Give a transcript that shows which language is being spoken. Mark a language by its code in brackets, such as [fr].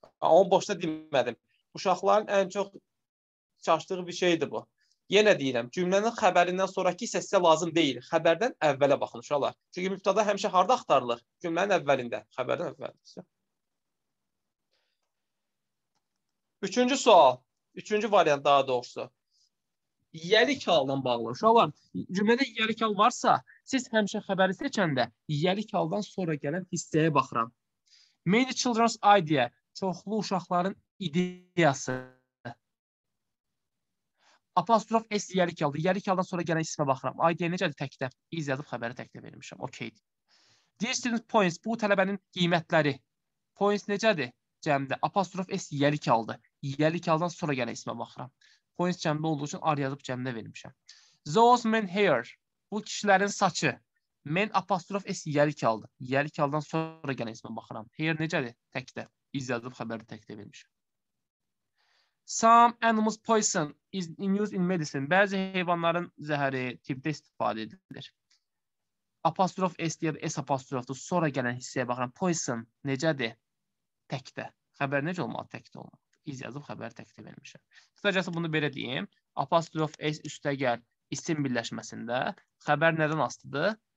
[az] Onu boşuna demədim. Uşaqların ən çox çaşdığı bir şeydir bu. Yenə deyirəm, cümlənin xəbərindən sonraki hissə sizə lazım deyil. Xəbərdən əvvələ baxın uşaqlar. Çünki mübtəda həmişə harda axtarılır? Cümlənin əvvəlində, xəbərdən əvvəlində. Üçüncü sual, üçüncü variant daha doğrusu. Yəlik halla bağlı. Uşaqlar, cümlədə yəlik hal varsa, siz həmişə xəbəri seçəndə yəlik haldan sonra gələn hissəyə baxıram. [en] Many children's idea, [az] çoxlu uşaqların ideyası. Apostrof S yəlik haldır. Yəlik haldan sonra gələn hissəyə baxıram. Idea necədir təkdə? İz yazıb xəbəri təkdə vermişəm. Okey. [en] Dear student points, [az] bu tələbənin qiymətləri. Points necədir? Cəmdə apostrof S yəlik haldır. Yəlik haldan sonra gələn hissəyə baxıram. Points cəmdə olduğu üçün ar yazıb cəmdə vermişəm. [en] Those men hair. [az] Bu kişilərin saçı. Men apostrof S yəlik aldı. Yəlik aldan sonra gələn ismə baxıram. Hair necədir? Təkdə. İz yazıb xəbəri təkdə vermişəm. [en] Some animals poison is in use in medicine. [az] Bəzi heyvanların zəhəri tibbdə istifadə edilir. Apostrof S ya da S apostrofdur. Sonra gələn hissəyə baxıram. Poison necədir? Təkdə. Xəbər necə olmalı? Təkdə olmalı. İz yazıb xəbəri təkdə vermişəm. Qısacası bunu belə deyim. Apostrof S üstəgəl isim birləşməsində xəbər nədən asılıdır?